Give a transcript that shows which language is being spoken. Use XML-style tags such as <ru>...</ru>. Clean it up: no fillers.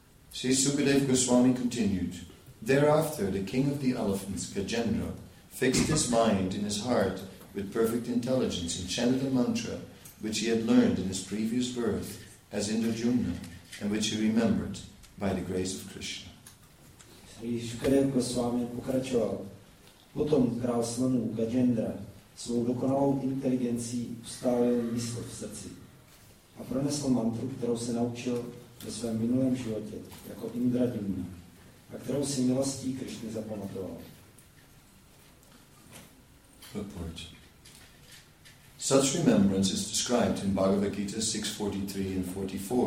<en>Sri Sukadeva Goswami continued, "Thereafter the king of the elephants, Gajendra, fixed his mind in his heart with perfect intelligence and chanted a mantra which he had learned in his previous birth as Indrajumna and which he remembered by the grace of Krishna."</en> <cs>Sri Sukadeva Goswami pokračoval. Potom král slonů Gajendra svou dokonalou inteligencí ustálil mysl v srdci a pronesl mantru, kterou se naučil ve svém minulém životě jako Indrajumna a kterou si milostí Krišny zapamatoval.</cs> <en>Report. Such remembrance is described in Bhagavad Gita 6.43 and 44.</en>